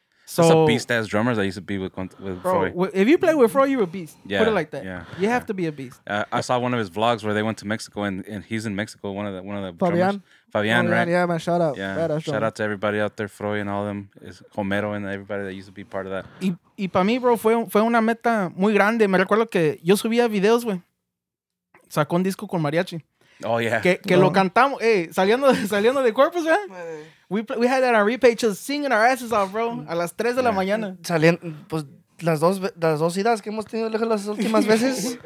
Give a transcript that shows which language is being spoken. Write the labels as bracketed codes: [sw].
[en] So, that's a beast-ass drummer that I used to be with Freud. If you play with Freud, you're a beast. Yeah, put it like that. Yeah, you have to be a beast. I saw one of his vlogs where they went to Mexico, and he's in Mexico, one of the Fabian drummers. Fabian, right? Yeah, man, shout out. Yeah. Shout out to everybody out there, Freud and all them. Is Homero and everybody that used to be part of that. [es] Y para mí, bro, fue una meta muy grande. Me recuerdo que yo subía videos, güey. Sacó un disco con mariachi. [en] Oh, yeah. [es] Que lo cantamos. Hey, saliendo de Corpus, man. [en] We had that on repeat, just singing our asses off, bro. [es] A las 3 de la mañana. Saliendo, pues, las dos idas que hemos tenido lejos las últimas veces.